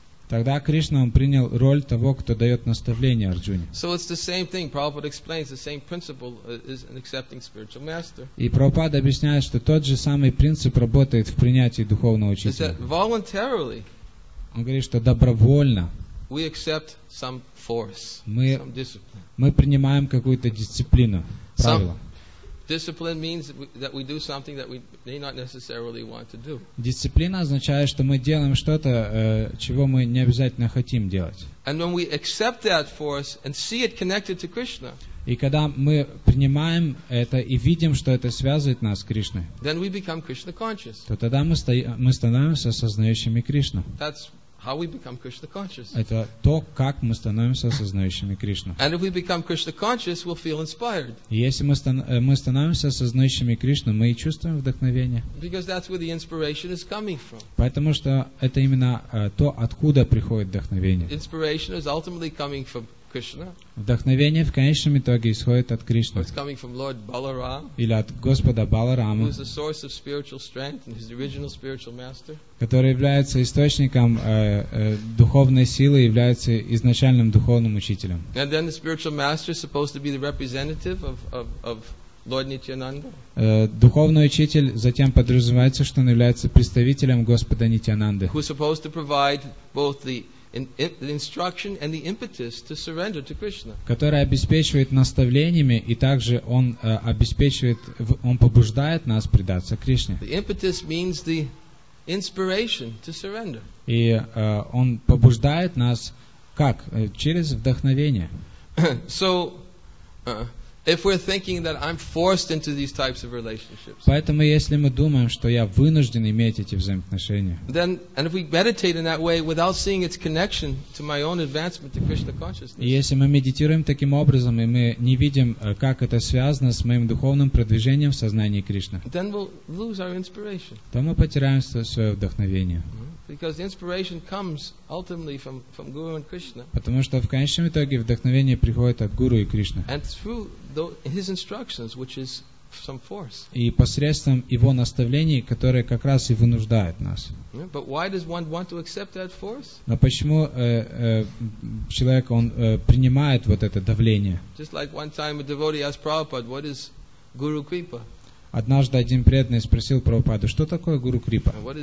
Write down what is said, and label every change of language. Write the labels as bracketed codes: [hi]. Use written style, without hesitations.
[ru] Тогда Кришна он принял роль того, кто дает наставление Арджуне. [en] So it's the same thing. Prabhupada explains the same principle is in accepting spiritual master. [ru] И Прабхупада объясняет, что тот же самый принцип работает в принятии духовного учителя. [en] Is that voluntarily? [ru] Он говорит, что добровольно. [en] We accept some force. [ru] Мы принимаем какую-то дисциплину, правила. [en] Discipline means that we do something that we may not necessarily want to do. [ru] Дисциплина означает, что мы делаем что-то, чего мы не обязательно хотим делать. [en] And when we accept that force and see it connected to Krishna. [ru] И когда мы принимаем это и видим, что это связывает нас с Кришной. [en] Then we become Krishna conscious. [ru] То тогда мы становимся осознающими Кришну. [en] That's how we become Krishna conscious. [ru] Это то, как мы становимся осознающими Кришну. [en] And if we become Krishna conscious, we'll feel inspired. [ru] Если мы становимся осознающими Кришну, мы и чувствуем вдохновение. [en] Because that's where the inspiration is coming from. [ru] Потому что это именно то, откуда приходит вдохновение. [en] Inspiration is ultimately coming from Krishna. [ru] Вдохновение в конечном итоге исходит от Кришны. [en] It's coming from Lord Balaram. [ru] Или от Господа Баларама. [en] Who is the source of spiritual strength and his original spiritual master. [ru] Который является источником духовной силы, является изначальным духовным учителем. [en] And then the spiritual master is supposed to be the representative of Lord Nityananda. [ru] Духовный учитель затем подразумевается, что он является представителем Господа Нитьянанды. [en] Who is supposed to provide both the instruction and the impetus to surrender to Krishna. [ru] Который обеспечивает наставлениями и также он обеспечивает, он побуждает нас предаться Кришне. [en] The impetus means the inspiration to surrender. [ru] И он побуждает нас как? Через вдохновение. [en] So, if we're thinking that I'm forced into these types of relationships. [ru] Поэтому если мы думаем, что я вынужден иметь эти взаимоотношения. [en] Then and if we meditate in that way without seeing its connection to my own advancement to Krishna consciousness. [ru] Если мы медитируем таким образом и мы не видим, как это связано с моим духовным продвижением в сознании Кришны. [en] Then we'll lose our inspiration. [ru] То мы потеряем свое вдохновение. [en] Because the inspiration comes ultimately from Guru and Krishna. [ru] Потому что в конечном итоге вдохновение приходит от Гуру и Кришны. [en] And through his instructions, which is some force. [ru] И посредством его наставлений, которые как раз и вынуждают нас. [en] Yeah, but why does one want to accept that force? [ru] Но почему человек он принимает вот это давление? [en] Just like one time a devotee asked Prabhupada, "What is Guru Kripa?" [ru] Однажды один преданный спросил Прабхупаду, что такое Гуру Крипа?